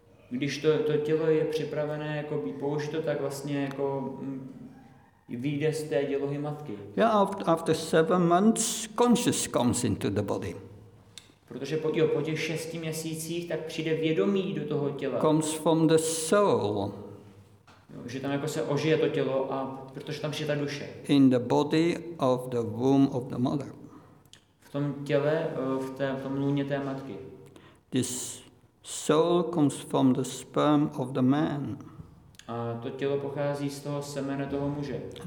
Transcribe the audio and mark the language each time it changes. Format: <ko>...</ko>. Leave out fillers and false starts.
<cs>Když to tělo je připravené jako být použito, tak vlastně jako vyjde z té dělohy matky.</cs> <en>Yeah, after 7 months consciousness comes into the body.</en> <cs>Protože po těch 6 měsících tak přijde vědomí do toho těla.</cs> <en>Comes from the soul.</en> <cs>Jo, že tam jako se ožije to tělo a protože tam přijde ta duše.</cs> <en>In the body of the womb of the mother.</en> <cs>V tom těle, v tom lůně té matky.</cs> <en>This soul comes from the sperm of the man.</en> <cs>A to tělo pochází z toho semene toho muže.</cs>